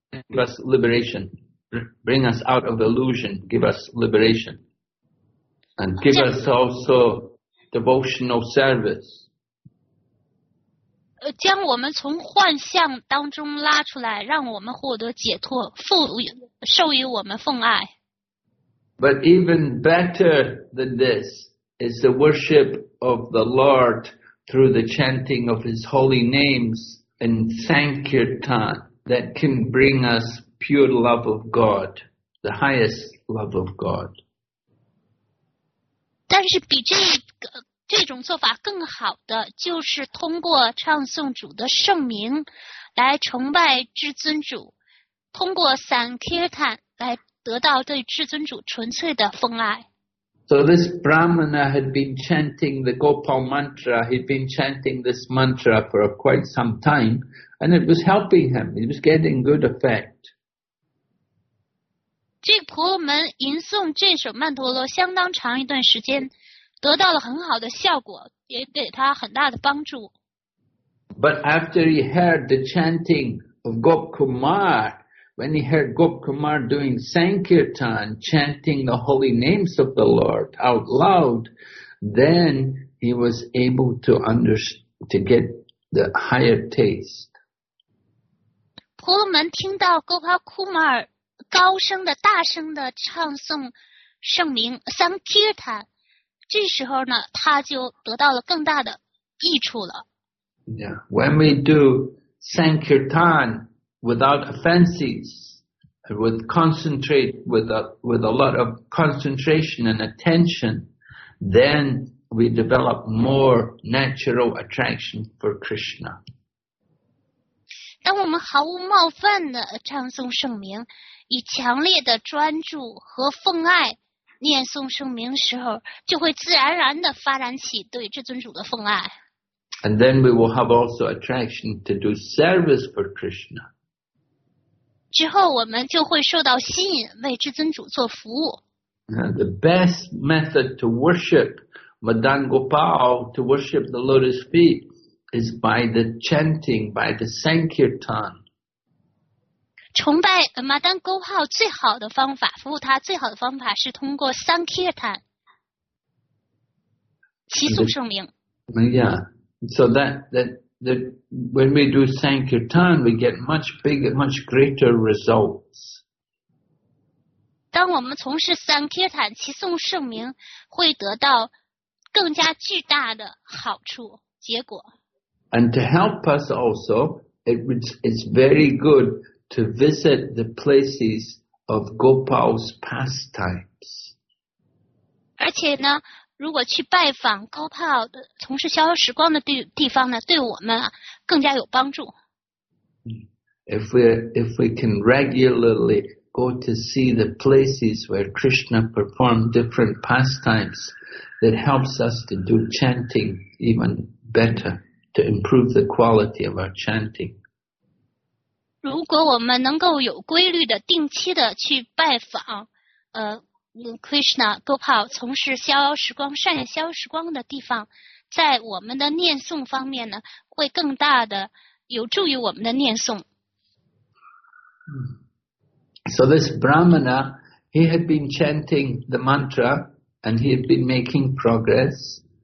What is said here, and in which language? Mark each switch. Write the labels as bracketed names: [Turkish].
[English] Give us liberation, bring us out of illusion, give us liberation, and give us also devotional service. [Chinese] 将我们从幻象当中拉出来，让我们获得解脱，授予我们奉爱。 [English] But even better than this is the worship of the Lord through the chanting of His holy names in Sankirtan that can bring us pure love of God, the highest love of God. [Chinese] 但是比这种做法更好的就是通过唱诵主的圣名来崇拜至尊主，通过 Sankirtan 来得到对至尊主纯粹的奉爱。 [English] So this Brahmana had been chanting the Gopal mantra, he'd been chanting this mantra for quite some time, and it was helping him, he was getting good effect. [Chinese] 这个婆罗门吟诵这首曼陀罗相当长一段时间，得到了很好的效果，也给他很大的帮助。 [English] But after he heard the chanting of Gop Kumar,When he heard Gop Kumar doing Sankirtan, chanting the holy names of the Lord out loud, then he was able to get the higher taste. [Chinese] 婆罗门听到 Gopal Kumar 高声的、大声的唱诵圣名 Sankirtan, 这时候呢，他就得到了更大的益处了。 [English] Yeah, when we do Sankirtan,without offenses, with a lot of concentration and attention, then we develop more natural attraction for Krishna. [Chinese] 当我们毫无冒犯地唱诵圣名，以强烈的专注和奉爱念诵圣名的时候，就会自然而然地发展起对至尊主的奉爱。 [English] And then we will have also attraction to do service for Krishna. [Chinese] 之后我们就会受到吸引，为至尊主做服务。 [English] The best method to worship Madan Gopal, to worship the lotus feet, is by the chanting, by the Sankirtan. [Chinese] 崇拜 Madan Gopal 最好的方法，服务他最好的方法是通过 Sankirtan, 齐诵圣名。 [English] When we do Sankirtan, we get much bigger, much greater results. [Chinese] 当我们从事桑帖坦齐颂圣名，会得到更加巨大的好处结果。 [English] And to help us also, it's very good to visit the places of Gopal's pastimes. [Chinese] 而且呢，如果去拜访高炮的从事逍遥时光的地方呢，对我们、啊、更加有帮助。 [English] If we can regularly go to see the places where Krishna performed different pastimes, that helps us to do chanting even better, to improve the quality of our chanting. [Chinese] 如果我们能够有规律的、定期的去拜访，Krishna Gopal 从事逍遥时光、善逍遥时光的地方，在我们的念诵方面呢，会更大的有助于我们的念诵。 [English] So this Brahmana, he had been chanting the mantra and he had been making progress.